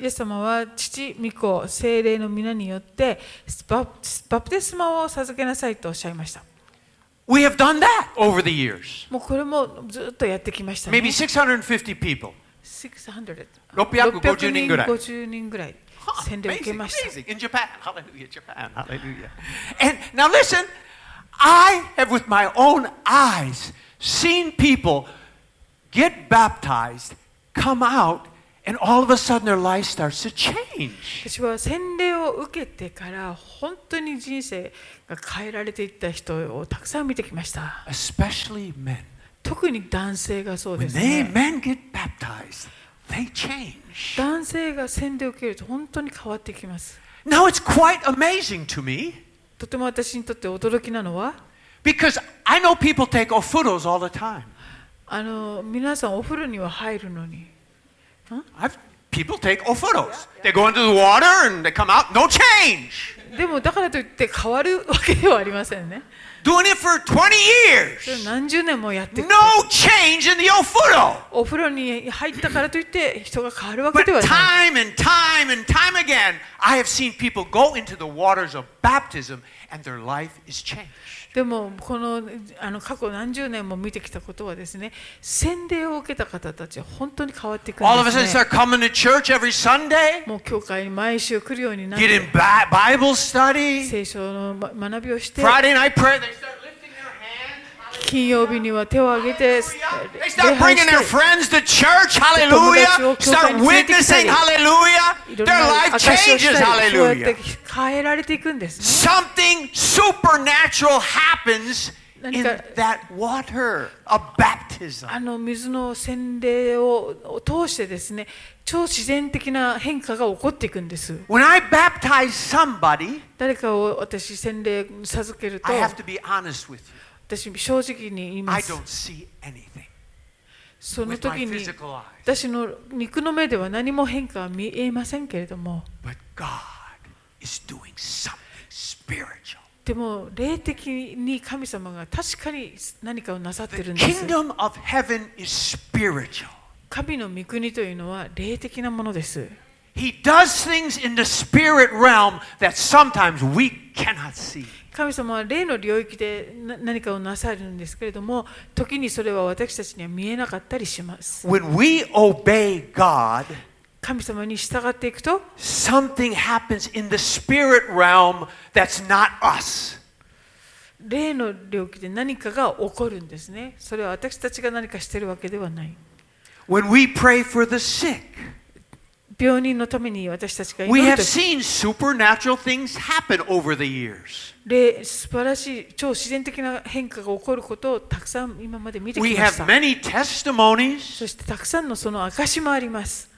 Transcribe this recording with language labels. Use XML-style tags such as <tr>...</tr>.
<ja>イエス様は父、御子、聖霊の名によってバプテスマを授けなさいとおっしゃいました。</ja> <en>We have done that over the years.</en> <ja>もうこれもずっとやってきましたね。</ja> <en>Maybe 650 people.</en> <ja>650人ぐらい洗礼を受けました。</ja> <en>Amazing, amazing. In Japan, hallelujah, Japan, hallelujah. And now listen, I have with my own eyes seen people. Get baptized, come out, and all of a sudden their life starts to change.</en> <ja>私は洗礼を受けてから本当に人生が変えられていった人をたくさん見てきました。</ja> <en>Especially men.</en> <ja>特に男性がそうですね。</ja> <en>When they men get baptized, they change.</en> <ja>男性が洗礼を受けると本当に変わってきます。</ja> <en>Now it's quite amazing to me.</en> <ja>とても私にとって驚きなのは、</ja> <en>Because I know people take ofuros all the time.</en> <ja>皆さんお風呂には入るのに、</ja> <en>People take ofuros. They go into the water and they come out, no change.</en> <ja>でもだからといって変わるわけではありませんね。</ja> <en>Doing it for 20 years.</en> <ja>何十年もやってる。</ja> <en>No change in the ofuro.</en> <ja>お風呂に入ったからといって人が変わるわけではない。</ja> <en>But time and time and time again, I have seen people go into the waters of baptism and their life is changed.</en> <ja>でもこの過去何十年も見てきたことはですね、洗礼を受けた方たちは本当に変わってくるんですね。</ja> <en>All of a sudden they're coming to church every Sunday.</en> <ja>もう教会に毎週来るようになって</ja> <en>。 Getting Bible study.</en> <ja>聖書の学びをして。</ja> <en>Friday night prayer. They start lifting their hands.</en> <ja>金曜日には手を挙げて。</ja> <en>They start bringing their friends to church. Hallelujah. Start witnessing. Hallelujah. Their life changes. Hallelujah.</en> <ja>変えられていくんですね。</ja> <en>Something supernatural happens in that water of baptism.</en> <ja>水の洗礼を通してですね、超自然的な変化が起こっていくんです。</ja> <en>When I baptize somebody,</en> <ja>誰かを私洗礼授けると、</ja> <en>I have to be honest with you.</en> <ja>私正直に言います。</ja> <en>I don't see anything.</en> <ja>その時に私の肉の目では何も変化は見えませんけれども。</ja> <en>But God. Is doing something spiritual.</en> <ja>でも霊的に神様が確かに何かをなさってるんです。</ja> <en>The kingdom of heaven is spiritual.</en> <ja>神の御国というのは霊的なものです。</ja> <en>He does things in the spirit realm that sometimes we cannot see.</en> <ja>神様は霊の領域で何かをなさるんですけれども、時にそれは私たちには見えなかったりします。</ja> <en>When we obey God.</en> <ja>神様に従っていくと、</ja> <en>something happens in the spirit realm that's not us.</en> <ja>霊の領域で何かが起こるんですね。それは私たちが何かしてるわけではない。</ja> <en>When we pray for the sick,</en> <ja>病人のために私たちが祈る時、</ja> <en>we have seen supernatural things happen over the years.</en> <ja>霊、素晴らしい超自然的な変化が起こることをたくさん今まで見てきました。</ja> <en>We have many testimonies.</en> <ja>そしてたくさんのその証もあります。</ja>